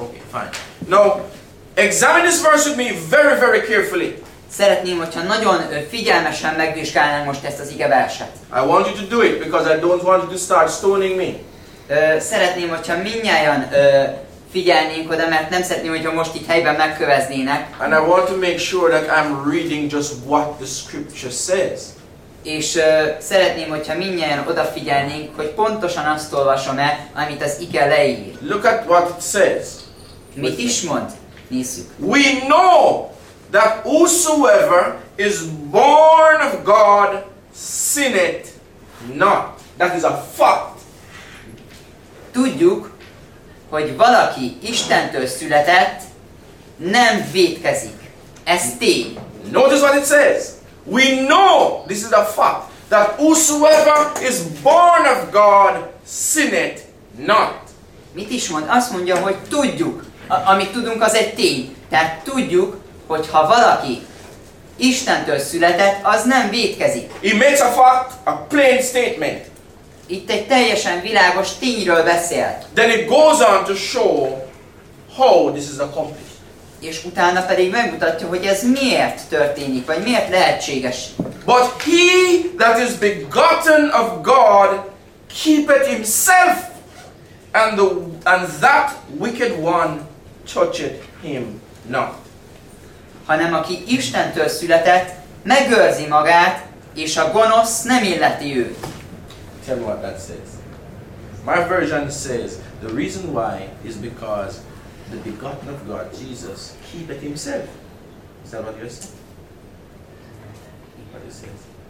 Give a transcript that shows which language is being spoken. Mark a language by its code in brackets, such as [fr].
[en] Okay, fine. Now, examine this verse with me very, very carefully. [hu] Szeretném, hogyha nagyon figyelmesen megvizsgálnám most ezt az igeverset. [en] I want you to do it because I don't want you to start stoning me. [hu] Szeretném, hogyha mindnyájan figyelnénk oda, mert nem szeretném, hogyha most itt helyben megköveznének. [en] And I want to make sure that I'm reading just what the scripture says. [hu] És szeretném, hogyha mindnyájan odafigyelnénk, hogy pontosan azt olvasom-e, amit az ige leír. [en] Look at what it says. [hu] Mit is mond? Nézzük. [en] We know that whosoever is born of God sinneth not. That is a fact. [hu] Tudjuk, hogy valaki Istentől született, nem vétkezik. Ez tény. [en] Notice what it says. We know, this is a fact, that whosoever is born of God sinneth not. [hu] Mit is mond? Azt mondja, hogy tudjuk. Amit tudunk, az egy tény. Tehát tudjuk, hogy ha valaki Istentől született, az nem vétkezik. [en] It makes a fact, a plain statement. [hu] Itt egy teljesen világos tényről beszél. [en] Then it goes on to show how this is accomplished. [hu] És utána pedig megmutatja, hogy ez miért történik, vagy miért lehetséges. [en] But he that is begotten of God keepeth himself, and that wicked one toucheth him not. [hu] Hanem aki Istentől született, megőrzi magát, és a gonosz nem illeti őt. [en] Tell me what that says. My version says, the reason why is because the begotten of God, Jesus, keepeth himself. Is that what you're saying? What it says?